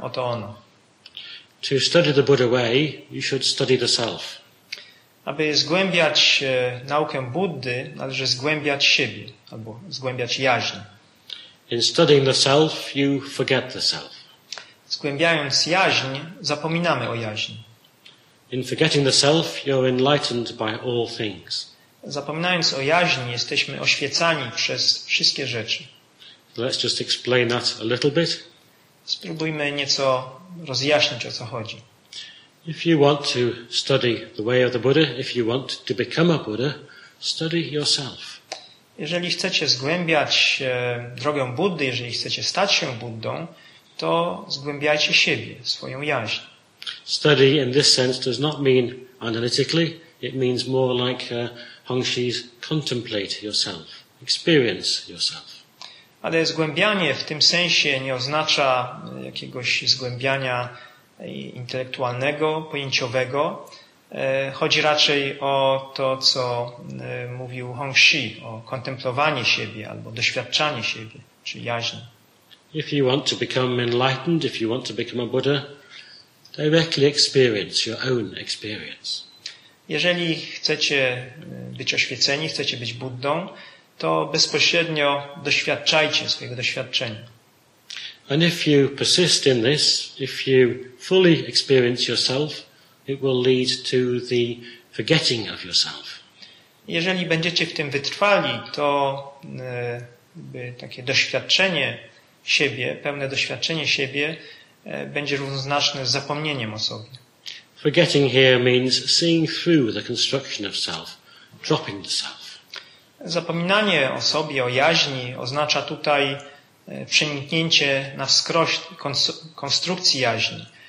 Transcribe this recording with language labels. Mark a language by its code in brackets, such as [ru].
[pl] Oto ono. [en] To study the Buddha way, you should study the self. [pl] Aby zgłębiać naukę Buddy, należy zgłębiać siebie albo zgłębiać jaźń. [en] In studying the self, you forget the self. [pl] Zgłębiając jaźń, zapominamy o jaźni. [en] In forgetting the self, you're enlightened by all things. [pl] Zapominając o jaźni, jesteśmy oświecani przez wszystkie rzeczy. [en] Let's just explain that a little bit. [pl] Spróbujmy nieco rozjaśnić, o co chodzi. [en] If you want to study the way of the Buddha, if you want to become a Buddha, study yourself. [pl] Jeżeli chcecie zgłębiać drogę Buddy, jeżeli chcecie stać się Buddą, to zgłębiajcie siebie, swoją jaźń. [en] Study in this sense does not mean analytically, it means more like Hongxi's contemplate yourself, experience yourself. [pl] Ale zgłębianie w tym sensie nie oznacza jakiegoś zgłębiania intelektualnego, pojęciowego. Chodzi raczej o to, co mówił Hongxi, o kontemplowanie siebie albo doświadczanie siebie, czy jaźń. [en] If you want to become enlightened, if you want to become a Buddha, directly experience your own experience. [pl] Jeżeli chcecie być oświeceni, chcecie być Buddą, to bezpośrednio doświadczajcie swojego doświadczenia. [en] And if you persist in this, if you fully experience yourself, it will lead to the forgetting of yourself. [pl] Jeżeli będziecie w tym wytrwali, to takie doświadczenie siebie, pełne doświadczenie siebie, będzie równoznaczne z zapomnieniem o sobie. [en] Forgetting here means seeing through the construction of self, dropping the self. [pl] Zapominanie o sobie, o jaźni, oznacza tutaj przeniknięcie na wskroś konstrukcji jaźni.